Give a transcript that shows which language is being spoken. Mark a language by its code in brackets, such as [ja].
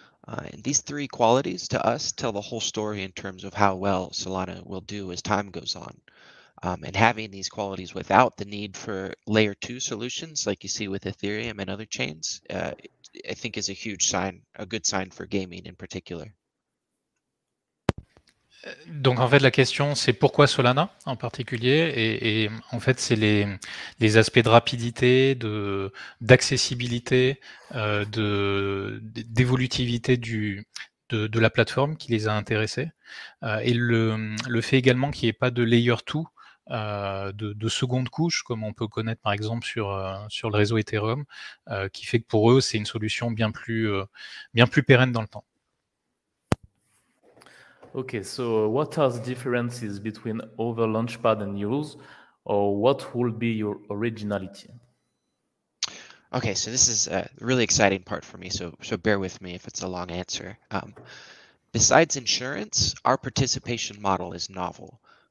[en] And these three qualities to us tell the whole story in terms of how well Solana will do as time goes on. And having these qualities without the need for layer two solutions, like you see with Ethereum and other chains, I think is a huge sign, a good sign for gaming in particular. [fr] Donc en fait la question c'est pourquoi Solana en particulier et en fait c'est les aspects de rapidité, d'accessibilité, d'évolutivité de la plateforme qui les a intéressés et le fait également qu'il n'y ait pas de layer 2 de seconde couche comme on peut connaître par exemple sur le réseau Ethereum qui fait que pour eux c'est une solution bien plus pérenne dans le temps. [en] Okay, so what are the differences between other launchpad and yours, or what would be your originality? Okay, so this is a really exciting part for me, so bear with me if it's a long answer. Besides insurance, our participation model is novel.